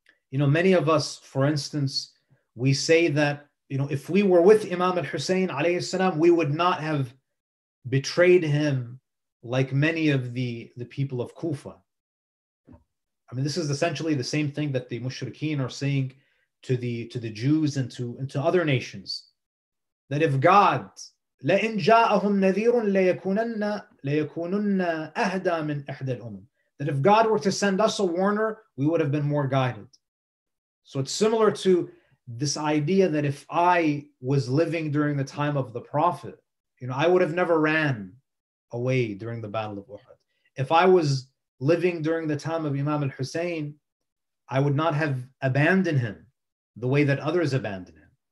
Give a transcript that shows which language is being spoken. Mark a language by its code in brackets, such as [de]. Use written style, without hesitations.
[en] You know, many of us, for instance, we say that, you know, if we were with Imam al-Hussein alayhi salam, we would not have betrayed him like many of the people of Kufa. I mean, this is essentially the same thing that the mushrikeen are saying to the Jews and to other nations. That if God, [ar] لَإِنْ جَاءَهُمْ نَذِيرٌ لَيَكُونُنَّ أَهْدَى مِنْ أَحْدَى الْأُمَمِ. [en] That if God were to send us a warner, we would have been more guided. So it's similar to this idea that if I was living during the time of the Prophet, you know, I would have never ran away during the Battle of Uhud. If I was living during the time of Imam al-Hussein, I would not have abandoned him the way that others abandoned him.